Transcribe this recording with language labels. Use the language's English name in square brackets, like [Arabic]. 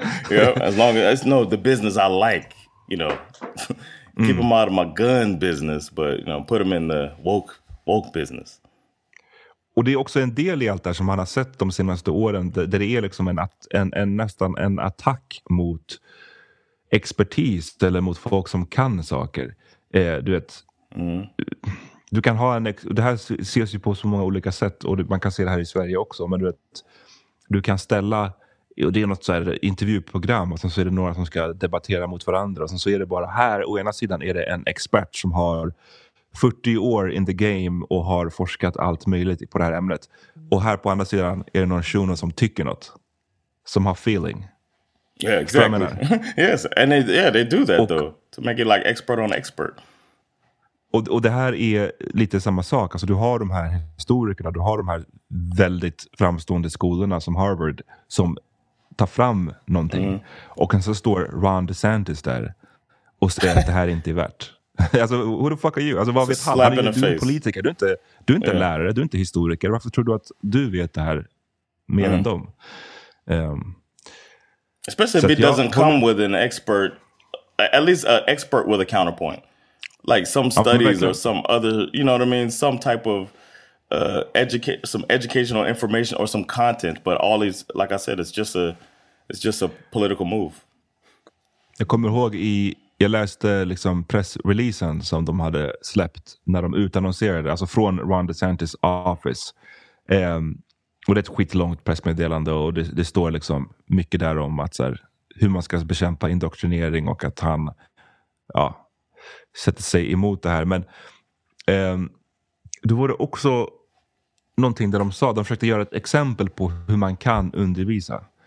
[English] Yeah, as long as no the business I like, you know. Keep them out of my gun business, but you know, put them in the woke business. [Swedish] Och det är också en del i allt där som man har sett de senaste åren där det är liksom en nästan en attack mot expertis eller mot folk som kan saker. Du vet, du kan ha en, det här ses ju på så många olika sätt, och man kan se det här i Sverige också, men du vet, du kan ställa, och det är något så här intervjuprogram, och sen så är det några som ska debattera mot varandra, och sen så är det bara här, å ena sidan är det en expert som har 40 år [English] in the game [Swedish] och har forskat allt möjligt på det här ämnet, och här på andra sidan är det någon shuno som tycker något, som har feeling. [English] Yeah, exactly. Yes, and they do that, och, though, to make it like expert on expert. [Swedish] Och det här är lite samma sak. Alltså du har de här historikerna, du har de här väldigt framstående skolorna som Harvard som tar fram någonting. Mm. Och sen så står Ron DeSantis där och säger att det här inte är värt. [English] Alltså, who the fuck are you? [Swedish] Alltså, vad vet han? Han är ju politiker, du är inte yeah, lärare, du är inte historiker. Varför tror du att du vet det här mer än dem? [English] Especially if it doesn't come with an expert, at least an expert with a counterpoint. Like some studies or some other, you know what I mean? Some type of some educational information or some content. But all these, like I said, it's just a political move. [Swedish] Jag kommer ihåg jag läste liksom pressreleasen som de hade släppt när de utannonserade, alltså från Ron DeSantis office. Och det är ett skitlångt pressmeddelande, och det står liksom mycket där om att så här, hur man ska bekämpa indoktrinering och att han, ja, sätter sig emot det här. Men det var det också någonting där de sa, de försökte göra ett exempel på hur man kan undervisa.